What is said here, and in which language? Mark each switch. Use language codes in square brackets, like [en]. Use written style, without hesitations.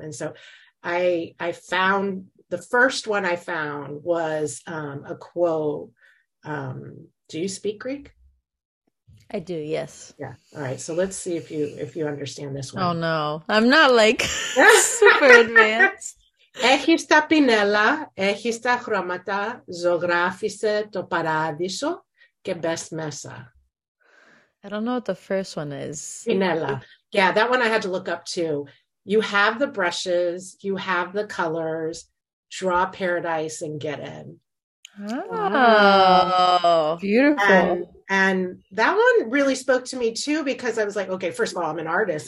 [en] And so I found the first one I found was, a quote. Do you speak Greek? I do. Yes. Yeah. All right. So let's see if you understand this one. Oh no, I'm not like super advanced. [el] Έχεις τα πινέλα, έχεις τα χρώματα, ζωγράφισε το παράδεισο και μπες μέσα. [en] I don't know what the first one is. [el] Πινέλα. [en] Yeah, that one I had to look up too. You have the brushes, you have the colors, draw paradise and get in. Oh, beautiful. And that one really spoke to me too, because I was like, okay, first of all, I'm an artist.